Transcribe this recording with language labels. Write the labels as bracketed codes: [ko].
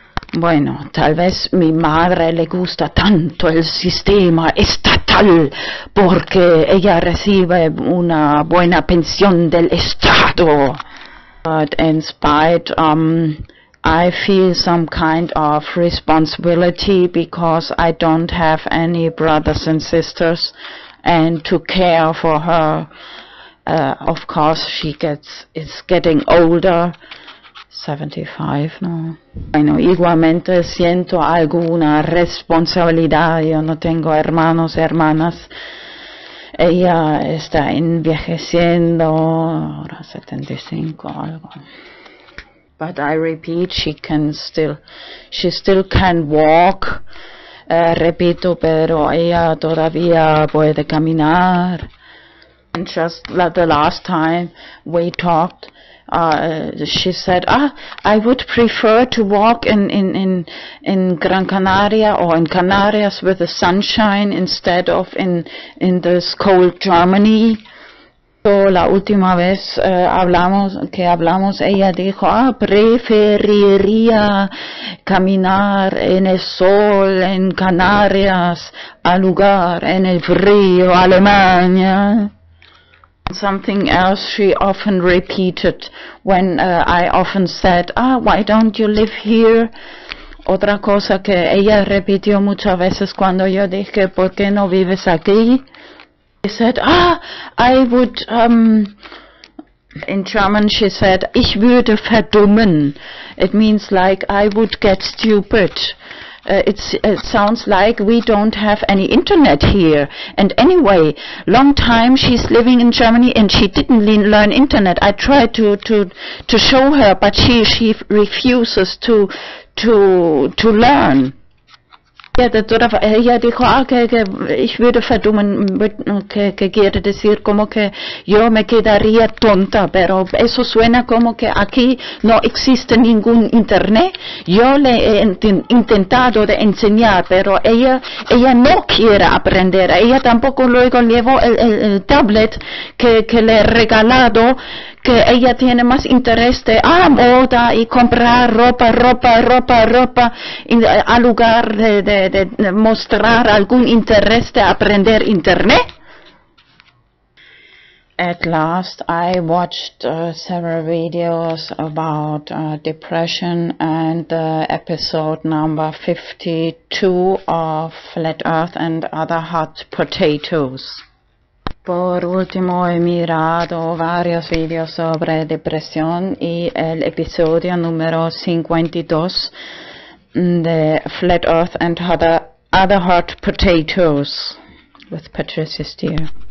[es] Bueno, tal vez mi madre le gusta tanto el sistema estatal porque ella recibe una buena pensión del Estado. [en] But in spite, I feel some kind of responsibility because I don't have any brothers and sisters. And to care for her, of course, is getting older, 75, ¿no? [es] Bueno, igualmente siento alguna responsabilidad, yo no tengo hermanos, hermanas. Ella está envejeciendo, ahora 75, algo. [en] But I repeat, she still can walk. [es] Repito, pero ella todavía puede caminar. [en] And just like the last time we talked, she said, I would prefer to walk in Gran Canaria or in Canarias with the sunshine instead of in this cold Germany. [es] So la última vez hablamos, ella dijo, preferiría caminar en el sol en Canarias a lugar en el frío Alemania. [en] Something else she often repeated when I often said, why don't you live here? [es] Otra cosa que ella repitió muchas veces cuando yo dije, ¿por qué no vives aquí? [en] She said, I would, in German she said, [de] ich würde verdummen. [en] It means like, I would get stupid. It sounds like we don't have any internet here. And anyway, long time she's living in Germany and she didn't learn internet. I tried to show her, but she refuses to learn. [es] Ella dijo que [de] ich würde verdummen, [es] que quiere decir como que yo me quedaría tonta, pero eso suena como que aquí no existe ningún internet. Yo le he intentado de enseñar, pero ella no quiere aprender. Ella tampoco luego llevó el tablet que le he regalado, que ella tiene más interés de moda y comprar ropa a lugar de mostrar algún interés de aprender internet. [en] At last, I watched several videos about depression and the episode number 52 of Flat Earth and Other Hot Potatoes. [es] Por último, he mirado varios videos sobre depresión y el episodio número 52 de Flat Earth and Other Hot Potatoes with Patricia Steer.